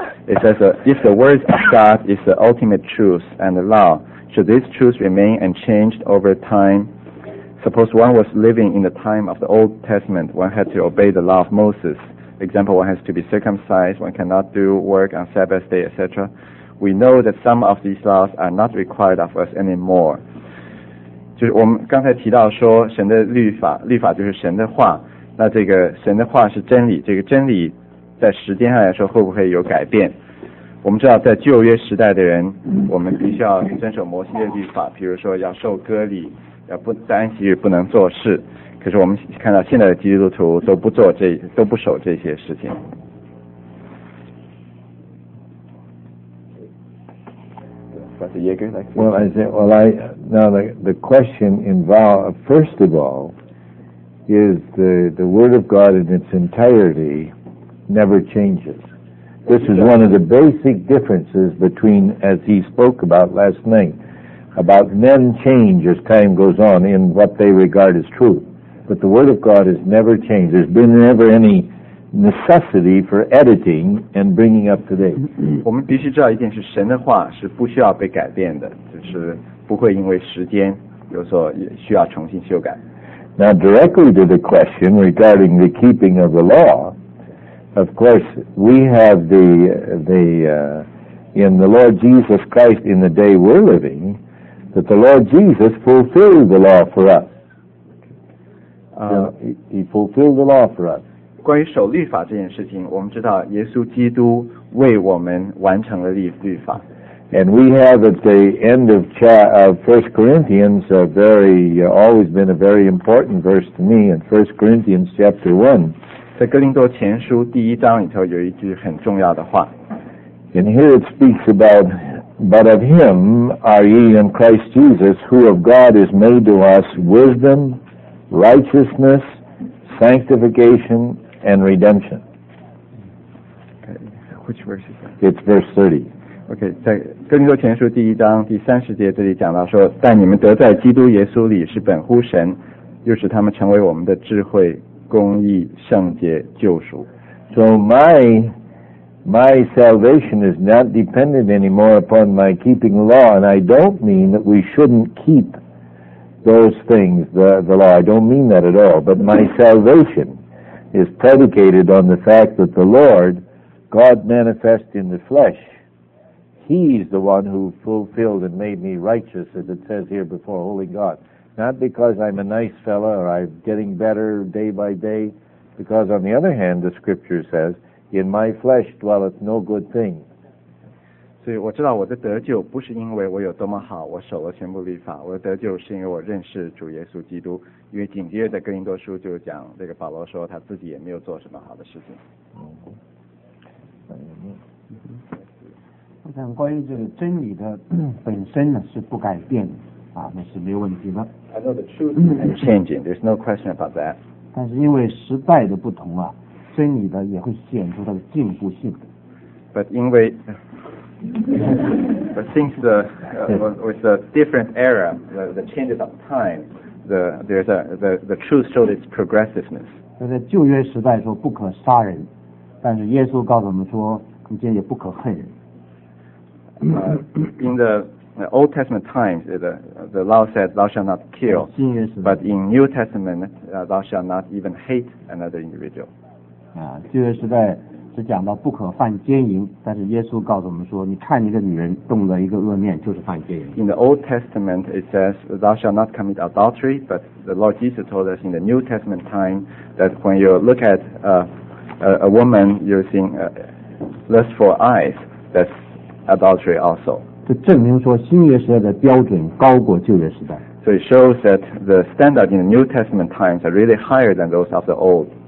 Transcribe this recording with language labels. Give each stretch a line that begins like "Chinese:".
English: It says, if the word of God is the ultimate truth and the law, should this truth remain unchanged over time? Suppose one was living in the time of the Old Testament, one had to obey the law of Moses. Example, one has to be circumcised, one cannot do work on Sabbath day, etc. We know that some of these laws are not required of us anymore.
Chinese: 就是我们刚才提到说神的律法就是神的话，那这个神的话是真理，这个真理在时间上来说会不会有改变？我们知道在旧约时代的人，我们必须要遵守摩西的律法，比如说要受割礼，要不在安息日不能做事。可是我们看到现在的基督徒都不守这些事情。
English: Well, I say, well, I now the question involved first of all is the word of God in its entirety never changes. This is one of the basic differences between as he spoke about last night about men change as time goes on in what they regard as truth. But the word of God has never changed. There's been never any necessity for editing and bringing up today.
Chinese: 我们必须知道一件事，神的话是不需要被改变的，就是不会因为时间有所需要重新修改。
English: Now directly to the question regarding the keeping of the law, of course we have in the Lord Jesus Christ in the day we're living, that the Lord Jesus fulfilled the law for us. He fulfilled the law for us.
Chinese: 关于守律法这件事情，我们知道耶稣基督为我们完成了律法。
English: And we have at the end of First Corinthians a very always been a very important verse to me in First Corinthians chapter 1.
Chinese: 在哥林多前书第一章里头有一句很重要的话。
English: And here it speaks about, but of him are ye in Christ Jesus, who of God is made to us wisdom. Righteousness, sanctification, and redemption. Okay. Which verse is that? It's verse 30.
Chinese: OK， 在哥林多前书第一章第三十节这里讲到说，但你们得在基督耶稣里是本乎神，又使他们成为我们的智慧、公义、圣洁、救赎。
English: So my salvation is not dependent anymore upon my keeping the law, and I don't mean that we shouldn't keep those things, the law. I don't mean that at all. But my salvation is predicated on the fact that the Lord, God manifest in the flesh, He's the one who fulfilled and made me righteous, as it says here before, Holy God. Not because I'm a nice fella or I'm getting better day by day, because on the other hand, the scripture says,In my flesh dwelleth no good thing.
Chinese: 所以我知道我的得救不是因为我有多么好，我守了全部律法。我的得救是因为我认识主耶稣基督。因为紧接着哥林多书就讲，这个保罗说他自己也没有做什么好的事情。我想关于这个真理的本身呢是不改变的啊，那是没有问题的。
English: I know the truth is changing. There's no question about that.
Chinese: 但是因为时代的不同啊。真理的也会显出它的进步性。
English: But since with a different era, the changes of time, the truth showed its progressiveness.
Chinese: 在旧约时代说不可杀人，但是耶稣告诉我们说，你今天也不可恨人。
English: In the Old Testament times, the law said, "Thou shalt not kill."
Chinese: 新约时代。
English: But in New Testament, "Thou shalt not even hate another individual."
Chinese: 旧约时代只讲到不可犯奸淫，但是耶稣告诉我们说，你看一个女人动了一个恶念，就是犯奸淫。
English: In the Old Testament, it says, "Thou shalt not commit adultery." But the Lord Jesus told us in the New Testament time that when you look at a woman using lust for eyes, that's adultery also.
Chinese: 这证明说新约时代的标准高过旧约时代。
English: So it shows that the standard in the New Testament times are really higher than those of the old.